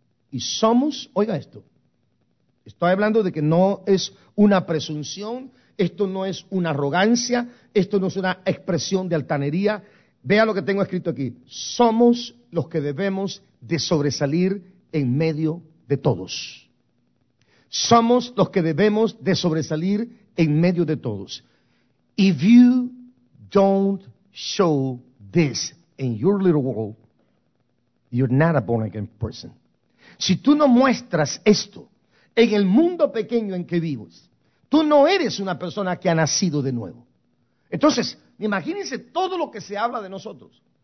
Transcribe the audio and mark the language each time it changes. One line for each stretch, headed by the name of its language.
Spanish: Y somos, oiga esto, estoy hablando de que no es una presunción, esto no es una arrogancia, esto no es una expresión de altanería. Vea lo que tengo escrito aquí. Somos los que debemos de sobresalir en medio de todos. Somos los que debemos de sobresalir en medio de todos.
English: If you don't show this in your little world, you're not a born again person.
Spanish: Si tú no muestras esto en el mundo pequeño en que vives, tú no eres una persona que ha nacido de nuevo. Entonces, imagínense todo lo que se habla de nosotros.